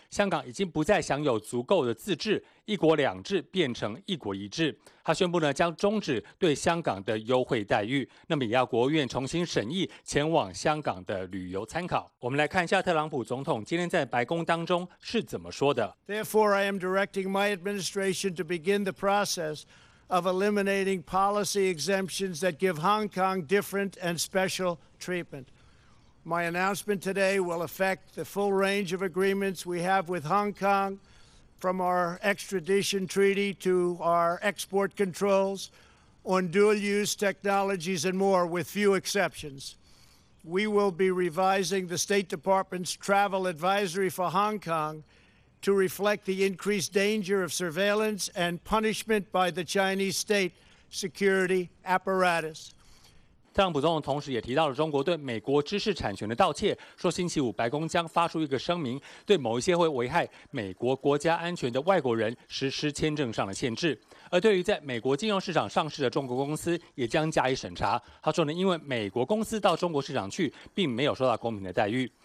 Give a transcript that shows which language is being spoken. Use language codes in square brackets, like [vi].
[zh] 香港已经不再享有足够的自治，一国两制变成一国一制。他宣布呢，将终止对香港的优惠待遇，那么也要国务院重新审议前往香港的旅游参考。我们来看一下特朗普总统今天在白宫当中是怎么说的。 [en] Therefore, I am directing my administration to begin the process of eliminating policy exemptions that give Hong Kong different and special treatment. My announcement today will affect the full range of agreements we have with Hong Kong. From our extradition treaty to our export controls on dual-use technologies and more, with few exceptions. We will be revising the State Department's travel advisory for Hong Kong to reflect the increased danger of surveillance and punishment by the Chinese state security apparatus. [zh] 特朗普总统同时也提到了中国对美国知识产权的盗窃，说星期五白宫将发出一个声明，对某一些会危害美国国家安全的外国人实施签证上的限制。而对于在美国金融市场上市的中国公司也将加以审查。他说呢，因为美国公司到中国市场去并没有受到公平的待遇。